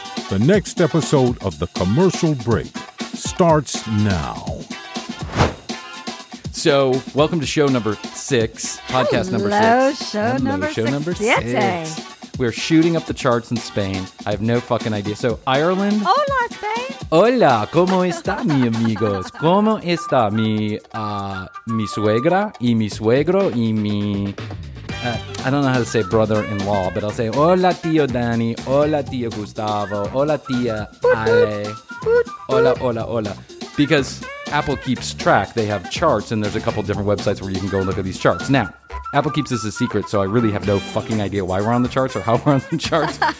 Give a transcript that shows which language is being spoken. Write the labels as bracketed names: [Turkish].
[English] The next episode of The Commercial Break starts now. So, welcome to show number 6, podcast number 6. Show number six. We're shooting up the charts in Spain. I have no fucking idea. So, Ireland. [Spanish] Hola, Spain. Hola, ¿cómo está, mi amigos? ¿Cómo está mi, mi suegra y mi suegro y mi... [English] I don't know how to say brother-in-law, but I'll say [Spanish] hola, tío Dani. Hola, tío Gustavo. Hola, tía Ale. Hola, hola, hola. [English] Because Apple keeps track. They have charts, and there's a couple different websites where you can go look at these charts. Now, Apple keeps this a secret, so I really have no fucking idea why we're on the charts or how we're on the charts.